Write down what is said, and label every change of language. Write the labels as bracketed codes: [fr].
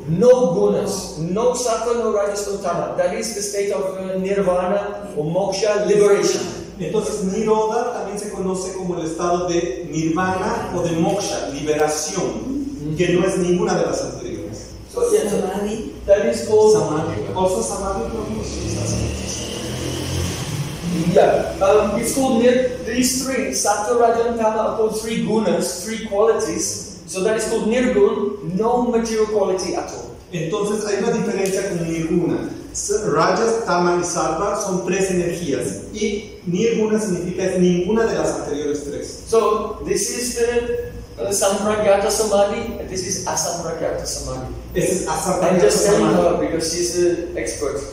[en] No gunas. No sattva, no rajas, no tamas. That is the state of Nirvana or Moksha, liberation. [es] Entonces, Niroda también se conoce como el estado de Nirvana o de Moksha, liberación, que no es ninguna de las anteriores. [en] So, yeah, Samadhi. That is called Samadhi. Also, Samadhi. Yeah, it's called these three, sattva, rajas, and tamas, are called three gunas, three qualities. So that is called nirgun, no material quality at all. [es] Entonces hay una diferencia con nirguna. Rajas, tamas y sattva son tres energías. Y nirguna significa ninguna de las anteriores tres. [en] So this is the samprajata samadhi, and this is asamprajata samadhi. This is asamprajata. I'm just telling her because she's an expert.